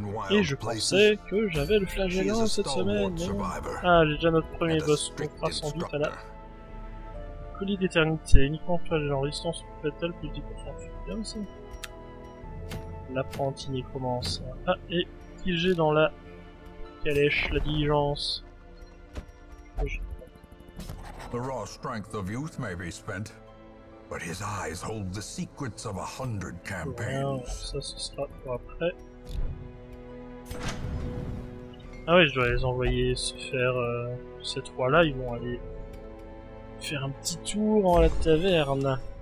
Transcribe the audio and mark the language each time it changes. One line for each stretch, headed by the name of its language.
French: Et je pensais que j'avais le flagellant cette semaine. Ah, j'ai déjà notre premier boss qu'on fera sans doute à la... Colis d'éternité, uniquement flagellant, résistance ou fatale, plus 10%. Bien ça. L'apprenti nécromance. Ah, et qui j'ai dans la calèche, la diligence.
English: The raw strength of youth may be spent, but his eyes hold the secrets of 100 campaigns.
French: Ça, ce sera pour après. Ah ouais, je dois les envoyer se faire ces trois-là. Ils vont aller faire un petit tour en la taverne.